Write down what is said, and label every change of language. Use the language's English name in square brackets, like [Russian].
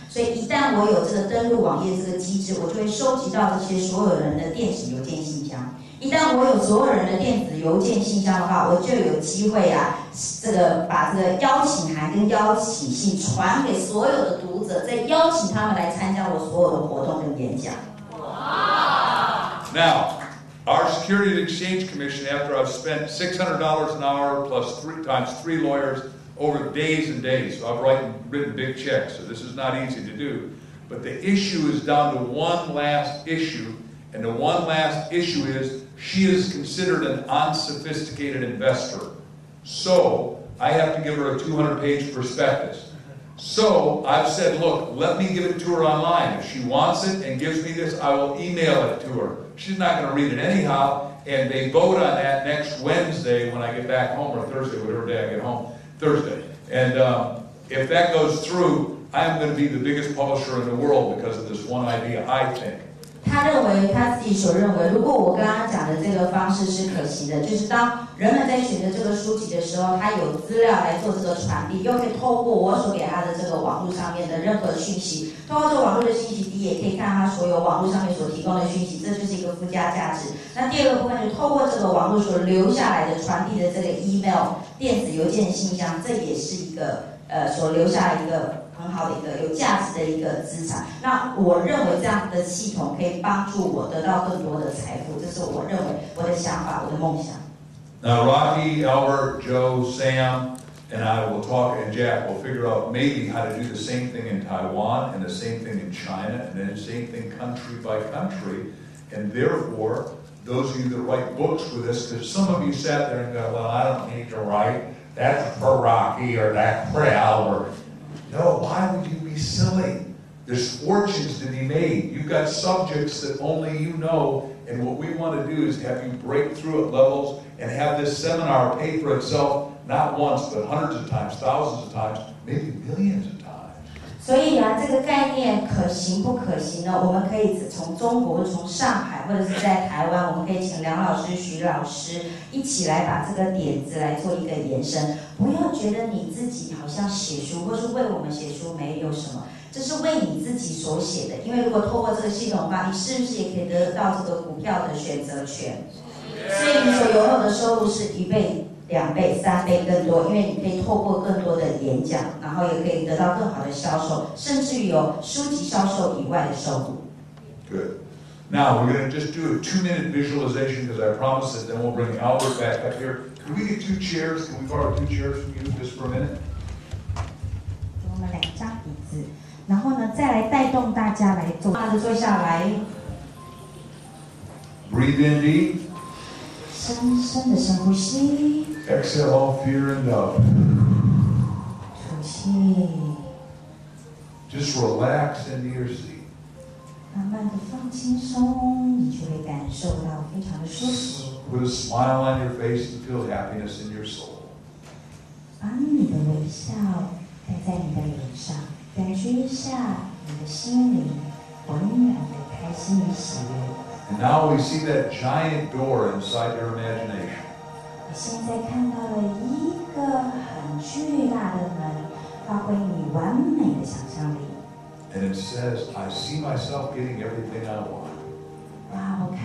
[Chinese] 所以一旦我有这个登录网页这个机制，我就会收集到这些所有人的电子邮件信箱。一旦我有所有人的电子邮件信箱的话，我就有机会啊，这个把这个邀请函跟邀请信传给所有的读者，再邀请他们来参加我所有的活动跟演讲。 [English] 哇 ！Now。 Our Securities Exchange Commission, after I've spent $600 an hour plus three lawyers over days and days, so I've written big checks, so this is not easy to do. But the issue is down to one last issue, and the one last issue is she is considered an unsophisticated investor. So I have to give her a 200-page prospectus. So I've said, look, let me give it to her online. If she wants it and gives me this, I will email it to her. She's not going to read it anyhow, and they vote on that next Wednesday when I get back home, or Thursday, whatever day I get home, Thursday. And if that goes through, I'm going to be the biggest publisher in the world because of this one idea, I think. [Chinese] 他自己所认为，如果我刚刚讲的这个方式是可行的，就是当人们在选择这个书籍的时候，他有资料来做这个传递，又可以透过我所给他的这个网络上面的任何讯息，透过这个网络的信息，你也可以看他所有网络上面所提供的讯息，这就是一个附加价值。那第二个部分就是透过这个网络所留下来的传递的这个 email 电子邮件信箱，这也是一个所留下一个。很好的一个有价值的一个资产，那我认为这样的系统可以帮助我得到更多的财富，这是我认为我的想法，我的梦想。 [English] Now, Rocky, Albert, Joe, Sam, and I will talk, and Jack will figure out maybe how to do the same thing in Taiwan and the same thing in China and then the same thing country by country. And therefore, those of you that write books with us, because some of you sat there and go, well, I don't need to write, that's for Rocky or that's for Albert. No, why would you be silly? There's fortunes to be made. You've got subjects that only you know, and what we want to do is have you break through at levels and have this seminar pay for itself not once, but hundreds of times, thousands of times, maybe millions of times. [Chinese] 所以啊，这个概念可行不可行呢？我们可以从中国，从上海，或者是在台湾，我们可以请梁老师、徐老师一起来把这个点子来做一个延伸。不要觉得你自己好像写书或是为我们写书没有什么，这是为你自己所写的。因为如果透过这个系统的话，你是不是也可以得到这个股票的选择权？所以你所拥有的收入是一倍、两倍、三倍更多，因为你可以透过更多的演讲，然后也可以得到更好的销售，甚至于有书籍销售以外的收入。 [English] Now, we're going to just do a two-minute visualization because I promise it, then we'll bring Albert back up here. Can we get two chairs? Can we borrow two chairs from you just for a minute? [Chinese] 给我们两张椅子，然后呢，再来带动大家来坐，大家坐下来。 [English] Breathe in deep. [Chinese] 深深的深呼吸。 [English] Exhale all fear and doubt. [Chinese] 吐气。 [English] Just relax into your seat. [Chinese] 慢慢的放轻松，你就会感受到非常的舒服。 [English] Put a smile on your face and feel happiness in your soul. [Chinese] 把你的微笑带在你的脸上，感觉一下你的心灵浑然的开心与喜悦。 [English] And now we see that giant door inside your imagination. [Chinese] 我现在看到了一个很巨大的门，发挥你完美的想象力。 [English] And it says, I see myself getting everything I want.